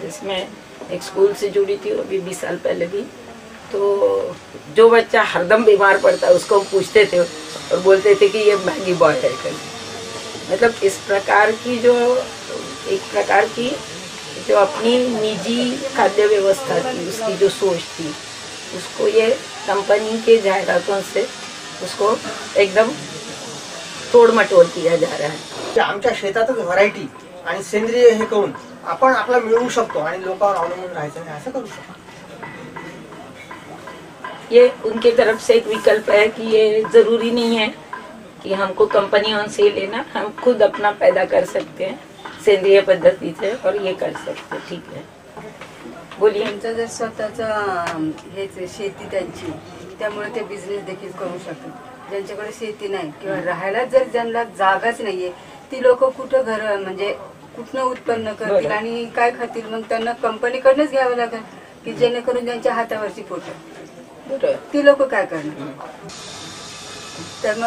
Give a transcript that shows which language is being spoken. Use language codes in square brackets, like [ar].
[hi] जिसमें एक स्कूल से जुड़ी थी अभी 20 साल पहले भी, तो जो बच्चा हरदम बीमार पड़ता है उसको पूछते थे और बोलते थे कि ये मैगी बॉय है कर, मतलब इस प्रकार की जो एक प्रकार की जो अपनी निजी खाद्य व्यवस्था थी, उसकी जो सोच थी, उसको ये कंपनी के जाहिरातों से उसको एकदम तोड़ मटोड़ किया जा रहा है। [mr] आमच्या शेतात व्हरायटी आणि सेंद्रिय हे करून आपण आपला मिळवू शकतो आणि लोकांवर अवलंबून राहायचं नाही असं करू शकतो। [hi] ये उनके तरफ से एक विकल्प है कि ये जरूरी नहीं है कि हमको कंपनियों से लेना, हम खुद अपना पैदा कर सकते हैं सेंद्रिय पद्धति से और ये कर सकते हैं। ठीक है, बोलिए। [mr] जर स्वतःच शेती त्यांची, त्यामुळे ते बिजनेस देखील करू शकतात। ज्यांच्याकडे शेती नाही किंवा राहायला जर ज्यांना जागाच नाहीये, ती लोक कुठं घर म्हणजे कुठनं उत्पन्न करतील आणि काय खातील, मग त्यांना कंपनीकडनंच घ्यावं लागेल की जेणेकरून ज्यांच्या हातावरची पोट, ती लोक काय करणार।